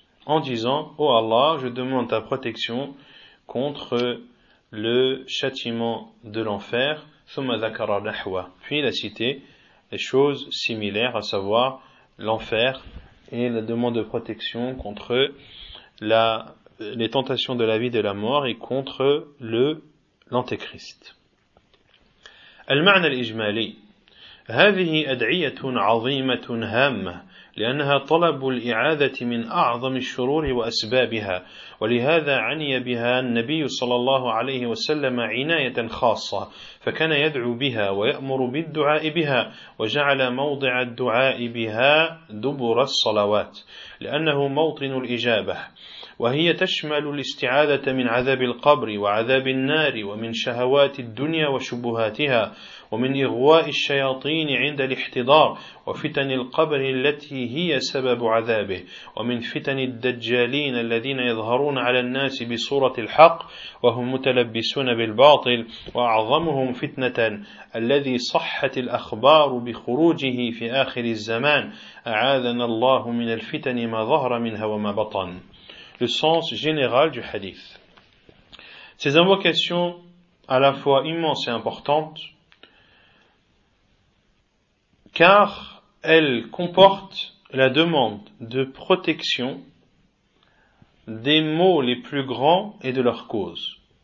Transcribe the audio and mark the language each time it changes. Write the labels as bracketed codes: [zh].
[fr] en disant « Oh Allah, je demande ta protection contre le châtiment de l'enfer, [ar] thumma dhakara nahwa [fr] » Puis il a cité les choses similaires, à savoir l'enfer et la demande de protection contre les tentations de la vie et de la mort et contre l'antéchrist. [ar] Al-ma'na al-ijmali. هذه أدعية عظيمة هامة لأنها طلب الإعاذة من أعظم الشرور وأسبابها ولهذا عني بها النبي صلى الله عليه وسلم عناية خاصة فكان يدعو بها ويأمر بالدعاء بها وجعل موضع الدعاء بها دبر الصلوات لأنه موطن الإجابة وهي تشمل الاستعاذة من عذاب القبر وعذاب النار ومن شهوات الدنيا وشبهاتها ومن إغواء الشياطين عند الاحتضار وفتن القبر التي هي سبب عذابه ومن فتن الدجالين الذين يظهرون على الناس بصورة الحق وهم متلبسون بالباطل وأعظمهم فتنة الذي صحت الأخبار بخروجه في آخر الزمان أعاذنا الله من الفتن ما ظهر منها وما بطن. [fr] Le sens général du hadith. Ces invocations, à la fois immenses et importantes, car elles comportent la demande de protection des maux les plus grands et de leurs causes.